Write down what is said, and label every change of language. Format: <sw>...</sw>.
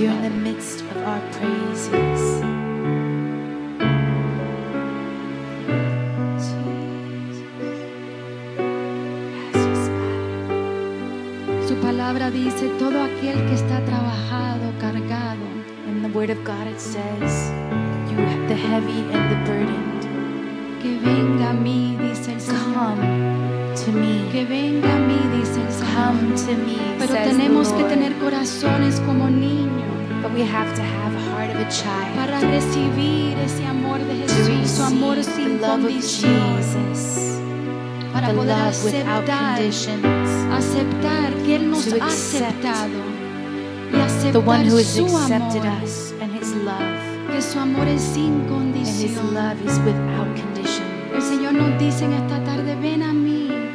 <en>You're in the midst of our praises.</en> <es>Jesús. Su palabra dice, todo aquel que está trabajado, cargado.</es> <en>In the word of God it says, you have the heavy and the burden.</en> <es>Que venga a mí, dice el Señor.</es> <en>Come to me,</en> <es>pero tenemos que tener corazones como niño.</es> <en>But we have to have a heart of a child.</en> <es>Para recibir ese amor de Jesús, su amor sin condición. Para poder aceptar que Él nos ha aceptado. Y aceptar</es> <en>the one who has accepted us and His love.</en> <es>Que su amor es sin condición.</es> <en>And His love is without condition.</en> <es>El Señor nos dice en esta tarde, ven a mí.</es>